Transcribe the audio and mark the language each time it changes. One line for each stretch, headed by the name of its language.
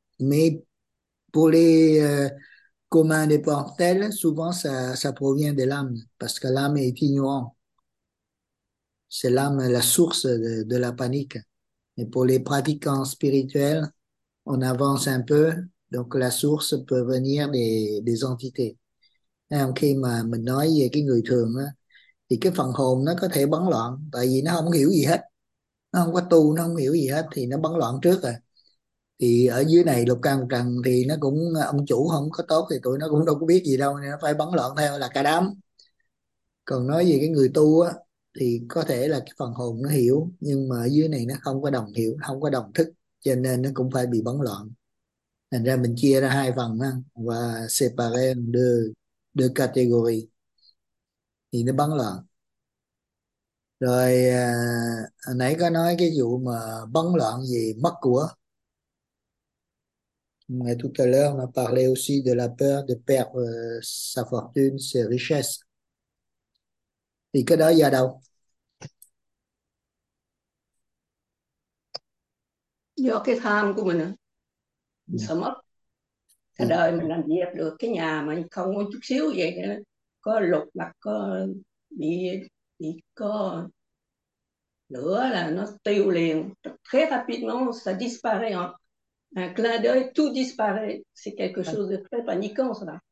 French: Mais pour les communs des mortels, souvent, ça provient de l'âme, parce que l'âme est ignorante. C'est l'âme la source de la panique. Et pour les pratiquants spirituels, on avance un peu, donc la source peut venir des entités.
Vietnamese: Et khi mà mình nói về cái người thường á, thì cái phần hồn nó có thể bấn loạn, tại vì nó không hiểu gì hết. Nó không có tu, nó không hiểu gì hết, thì nó bấn loạn trước rồi. Thì ở dưới này lục căn trần thì nó cũng, ông chủ không có tốt thì tụi nó cũng đâu có biết gì đâu, nên nó phải bấn loạn theo là cả đám. Còn nói về cái người tu á, thì có thể là cái phần hồn nó hiểu, nhưng mà ở dưới này nó không có đồng hiểu, không có đồng thức, cho nên nó cũng phải bị bấn loạn. Thành ra mình chia ra hai phần đó, và
French: separate deux categories,
Vietnamese: thì nó bấn loạn. Rồi hồi nãy có nói cái vụ mà bấn loạn về mất của.
French: Mais tout à l'heure, on a parlé aussi de la peur de perdre sa fortune, ses richesses.
Vietnamese: Thì cái đó giờ đâu? Do cái tham của mình sợ mất cả đời mình làm việc được cái nhà mà không có chút xíu vậy đó. Có lục mặt có bị có lửa là nó tiêu liền
French: très rapidement ça disparaît un clin d'œil tout disparaît c'est quelque chose de très paniquant ça.